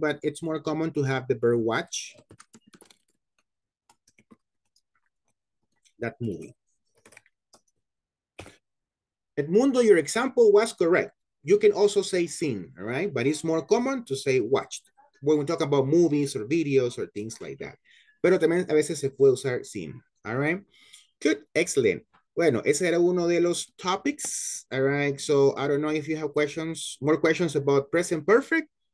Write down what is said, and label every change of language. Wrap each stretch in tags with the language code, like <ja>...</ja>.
<en>But it's more common to have the bird watch that movie. Edmundo, your example was correct. You can also say seen, right? But it's more common to say watched when we talk about movies or videos or things like that.</en> <es>Pero también a veces se puede usar seen, all right?</es> <en>Good, excellent.</en> <es>Bueno, ese era uno de los topics, all right?</es> <en>So I don't know if you have questions, more questions about present perfect.</en>